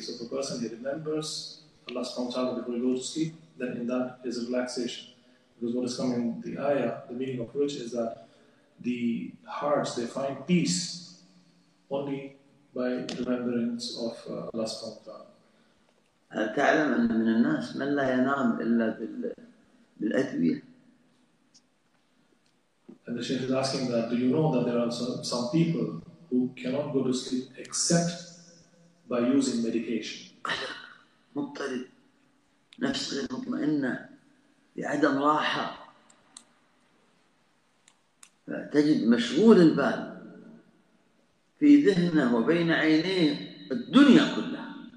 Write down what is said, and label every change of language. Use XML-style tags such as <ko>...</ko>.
<en>So if a person, he remembers Allah subhanahu wa ta'ala before he goes to sleep, then in that is relaxation. Because what is coming in the ayah, the meaning of which is that the hearts, they find peace only by remembrance of Allah subhanahu wa ta'ala.</en> <ar>هل تعلم أن من الناس من لا ينام إلا بالأدوية؟</ar> <en>And the Shaykh is asking that, do you know that there are some people who cannot go to sleep except by using medication?</en> <ar>قلق مضطرب نفس غير مطمئنة بعدم راحة تجد مشغول البال في ذهنه وبين عينيه الدنيا كلها</ar>